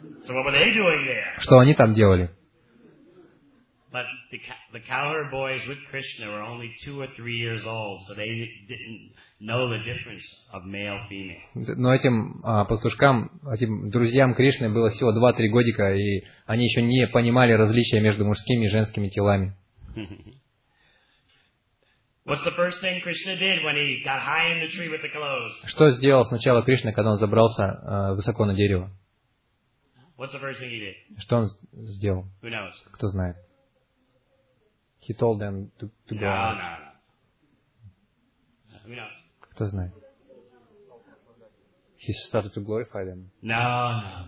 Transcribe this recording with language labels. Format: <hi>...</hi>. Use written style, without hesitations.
<en>So what were they doing there?</en> <ru>Что они там делали?</ru> <en>But the cowherd boys with Krishna were only 2 or 3 years old, so they didn't know the difference of male female.</en> <ru>Но этим пастушкам, этим друзьям Кришны было всего 2-3 годика, и они еще не понимали различия между мужскими и женскими телами.</ru> <en>What's the first thing Krishna did when he got high in the tree with the clothes?</en> <ru>Что сделал сначала Кришна, когда он забрался высоко на дерево?</ru> <en>What's the first thing he did?</en> <ru>Что он сделал?</ru> <en>Who knows?</en> <ru>Кто знает?</ru> <en>He told them to go. No.</en> <ru>Кто знает?</ru> <en>He started to glorify them. No.</en>